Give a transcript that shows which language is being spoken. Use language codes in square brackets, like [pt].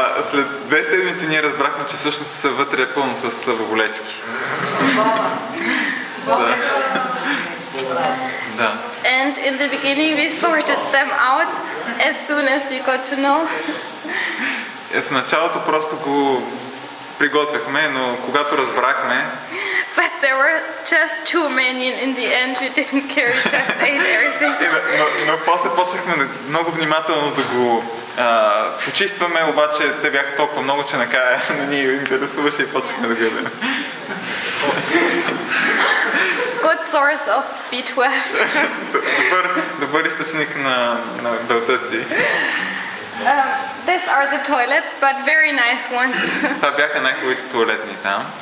[bg] След 2 седмици ние разбрахме, че всъщност са вътре пълно с въголечки. Да. [en] And in the beginning we sorted them out as soon as we got to know. [bg] В началото просто го приготвяхме, но когато разбрахме. [en] But there were just too many in the end, we didn't care, just ate everything. [bg] но после почнахме много внимателно да го почистваме, обаче те бяха толкова много, че накая не ни интересуваше и почнахме да гледаме. [en] Good source of B12. [bg] добър източник на белтъци. [en] These are the toilets, but very nice ones. [bg] Това бяха най-хубавите туалетни там.